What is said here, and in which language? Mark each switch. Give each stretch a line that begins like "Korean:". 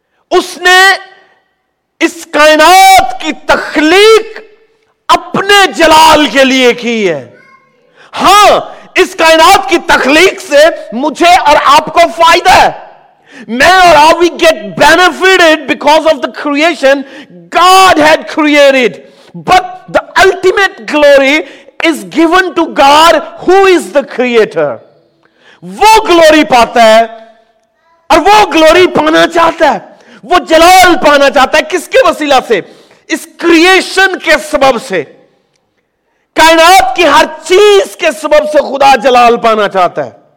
Urdu: اس نے اس کائنات کی تخلیق اپنے جلال کے لیے کی ہے. ہاں، اس کائنات کی تخلیق سے مجھے اور آپ کو فائدہ ہے.
English: میں اور آپ، we get benefited because of the creation God had created. But the ultimate glory is given to God who is the creator.
Urdu: وہ گلوری پاتا ہے اور وہ گلوری پانا چاہتا ہے، وہ جلال پانا چاہتا ہے. کس کے وسیلہ سے؟ اس کریشن کے سبب سے، کائنات کی ہر چیز کے سبب سے خدا جلال پانا چاہتا ہے.